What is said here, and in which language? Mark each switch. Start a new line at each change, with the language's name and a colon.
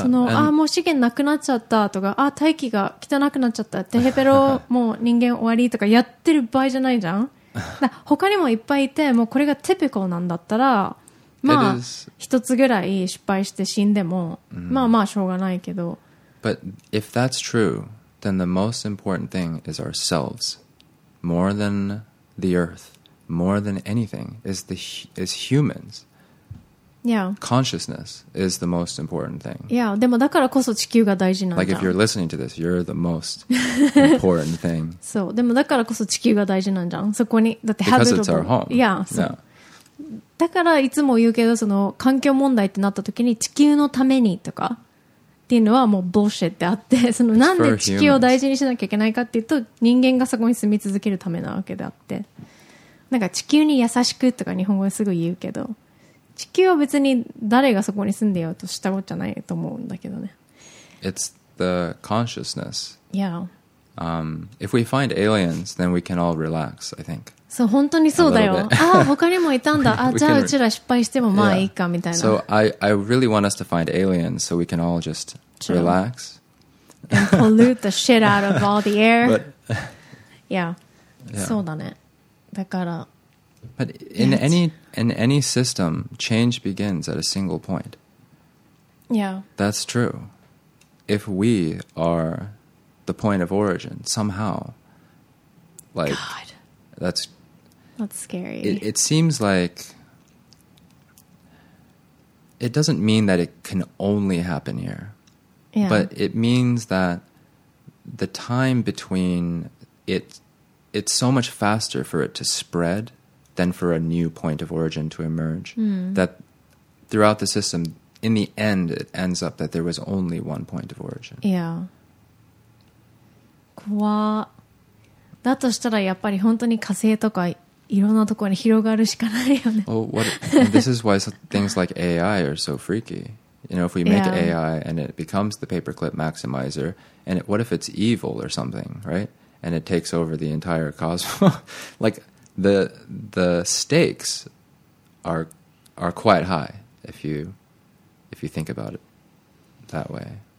Japanese: そのああもう資源なくなっちゃったとかああ大気が汚くなっちゃったテヘペロもう人間終わりとかやってる場合じゃないじゃんだ他にもいっぱいいてもうこれがテピコなんだったらまあ一つぐらい失敗して死んでも、mm-hmm. まあまあしょうがないけど
English: But if that's true then the most important thing is ourselves more than the earthMore than anything is humans. Yeah. Consciousness is the most important thing. Yeah,
Japanese: でもだからこそ地球が大事なんだ。
English: Like if you're listening to this, you're the most important thing.
Japanese: そう、でもだからこそ地球が大事なんじゃん。そこに、だって
English: Because it's our home. Yeah, so. Yeah.
Japanese: だからいつも言うけど、その環境問題ってなった時に地球のためにとかっていうのはもうボッシェってあって、そのなんで地球を大事にしなきゃいけないかっていうと、人間がそこに住み続けるためなわけであって。なんか地球に優しくとか日本語ですぐ言うけど地球は別に誰がそこに住んでようとしたことじゃないと思うんだけどね
English: It's the consciousness Yeah If we find aliens then we can all relax I think
Japanese: そう本当にそうだよああ他にもいたんだあじゃあうちら失敗してもまあいいかみたいな
English: So I really want us to find aliens so we can all just relax And pollute the shit out of all the air But, yeah. yeah
Japanese: そうだねだから、
English: But in any system, change begins at a single point. Yeah. That's true. If we are the point of origin somehow, like, God. That's scary. It seems like it doesn't mean that it can only happen here. Yeah. But it means that the time between it's so much faster for it to spread than for a new point of origin to emerge that throughout the system, in the end, it ends up that there was only one point of origin. Yeah.
Japanese: 怖っ。だとしたらやっぱり本当に火星とかいろんなところに広がるしかないよね。
English: Oh, what, this is why things like AI are so freaky. You know, if we make AI and it becomes the paperclip maximizer, and what if it's evil or something, right? And it takes over the entire cosmos. like, the stakes are quite high, if you think about it that way.